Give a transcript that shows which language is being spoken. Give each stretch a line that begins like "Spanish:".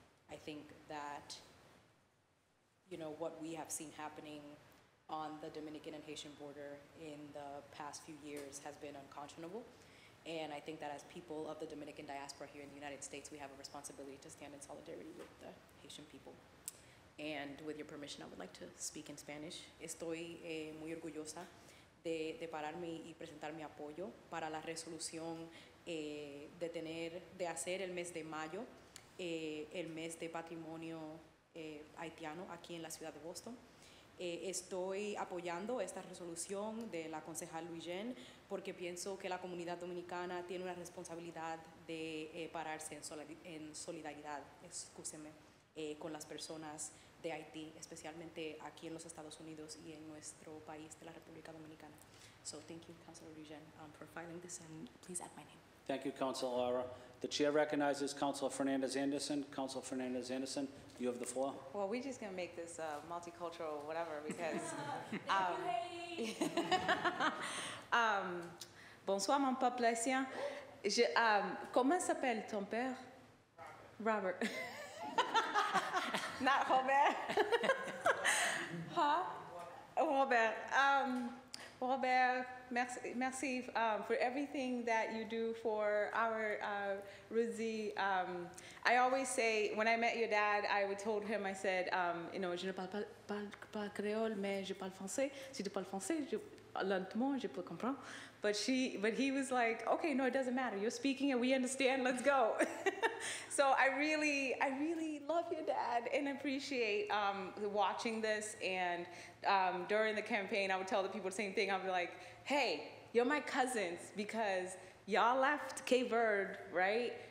English: I think that, you know, what we have seen happening on the Dominican and Haitian border in the past few years has been unconscionable. And I think that as people of the Dominican diaspora here in the United States, we have a responsibility to stand in solidarity with the Haitian people. And with your permission, I would like to speak in Spanish.
Spanish: Estoy muy orgullosa de pararme y presentar mi apoyo para la resolución de hacer el mes de mayo el mes de patrimonio haitiano aquí en la ciudad de Boston. Estoy apoyando esta resolución de la concejal Luyen porque pienso que la comunidad dominicana tiene una responsabilidad de pararse en solidaridad, excúsenme, con las personas de Haití, especialmente aquí en los Estados Unidos y en nuestro país de la República Dominicana.
English: So thank you, Councilor Luyen, for filing this, and please add my name. Thank you, Councilor Lara. The chair recognizes Councilor Fernandez-Anderson. Councilor Fernandez-Anderson, you have the floor. Well, we're just going to make this multicultural whatever because...
French: bonsoir, mon peuple haïtien. Comment s'appelle ton père?
English: Robert. Robert. Not Robert. Huh? Robert. Robert, merci for everything that you do for our Ruzi. I always say, when I met your dad, I would told him, I said, you know,
French: je ne parle pas créole, mais je parle français. Si tu parles français, lentement, je peux comprendre.
English: But he was like, okay, no, it doesn't matter. You're speaking and we understand, let's go. So I really love your dad and appreciate watching this. And during the campaign, I would tell the people the same thing. I'd be like, hey, you're my cousins because y'all left Cape Verde, right?